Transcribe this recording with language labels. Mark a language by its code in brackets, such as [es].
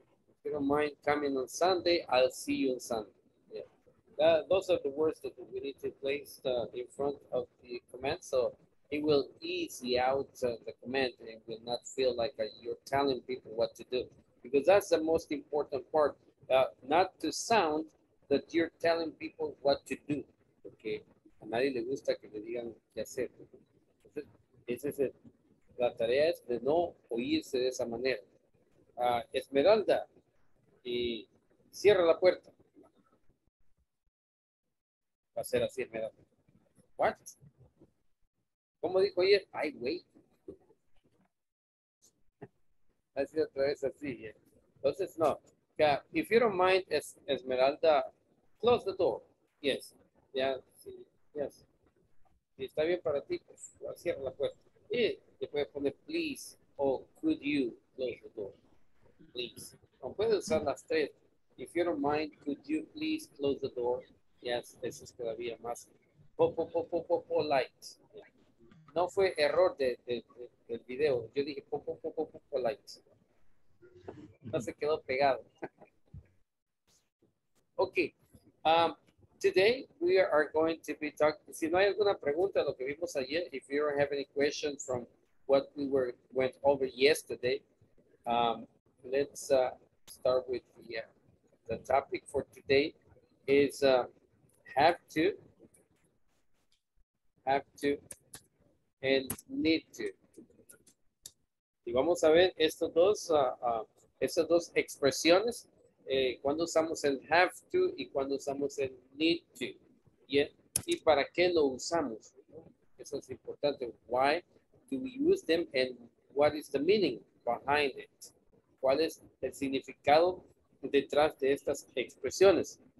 [en] If you don't mind coming on Sunday, I'll see you on Sunday. Those are the words that we need to place in front of the command, so it will ease out the command and will not feel like you're telling people what to do. Because that's the most important part, not to sound that you're telling people what to do. Okay? [es] A nadie le gusta que le digan qué hacer. Es la tarea es de no oírse de esa manera. Esmeralda, y cierra la puerta. Hacer así, me da. [en] What? [es] ¿Cómo dijo ayer? Ay, güey. Así otra vez, así. [en] Yeah. [es] Entonces, no. [en] Yeah, if you don't mind, Esmeralda, close the door. Yes. [es] Ya, [en] yeah, [es] sí. [en] Yes. [es] Si está bien para ti, pues cierra la puerta. Y te puede poner, [en] please, or could you close the door? Please. [es] No puede usar las tres. [en] If you don't mind, could you please close the door? Yes, [es] eso es todavía más polite. No fue error del video. Yo dije polite. No se quedó pegado. [en] Okay. Today we are going to be talking. [es] Si no hay alguna pregunta, lo que vimos ayer, [en] if you don't have any question from what we went over yesterday, let's start with the topic for today is have to, and need to. [es] Y vamos a ver estos dos expresiones, cuando usamos el have to y cuando usamos el need to. [en] Yeah. [es] Y para qué lo usamos. Eso es importante. [en] Why do we use them and what is the meaning behind it? [es] ¿Cuál es el significado detrás de estas expresiones?